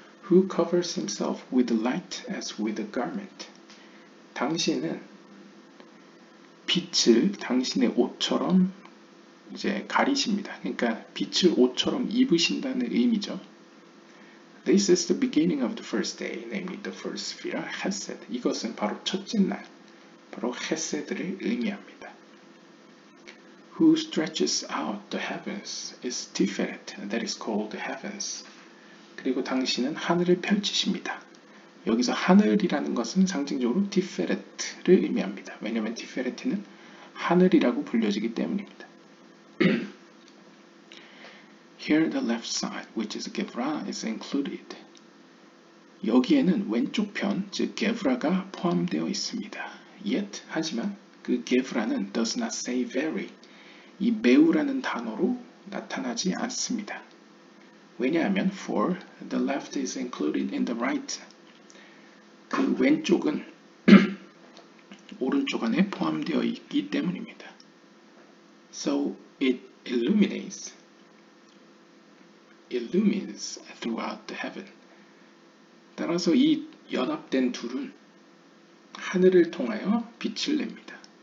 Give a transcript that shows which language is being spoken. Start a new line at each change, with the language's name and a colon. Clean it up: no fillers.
English: Who covers himself with light as with a garment?
Korean: 당신은 빛을 당신의 옷처럼 이제 가리십니다. 그러니까 빛을 옷처럼 입으신다는 의미죠.
English: This is the beginning of the first day, namely the first sphere, Chesed.
Korean: 이것은 바로 첫째 날, 바로 Chesed를 의미합니다.
English: Who stretches out the heavens is Tiferet, that is called the heavens.
Korean: 그리고 당신은 하늘을 펼치십니다. 여기서 하늘이라는 것은 상징적으로 Tiferet를 의미합니다. 왜냐하면 Tiferet는 하늘이라고 불려지기 때문입니다.
English: Here the left side, which is Gevra, is included.
Korean: 여기에는 왼쪽 편, 즉 Gevra가 포함되어 있습니다.
English: Yet,
Korean: 하지만 그 Gevra는
English: does not say very,
Korean: 이 매우라는 단어로 나타나지 않습니다. 왜냐하면
English: for the left is included in the right.
Korean: 그 왼쪽은 오른쪽 안에 포함되어 있기 때문입니다.
English: So it illumines throughout the heaven.
Korean: 따라서 이 연합된 둘은 하늘을 통하여 빛을 냅니다.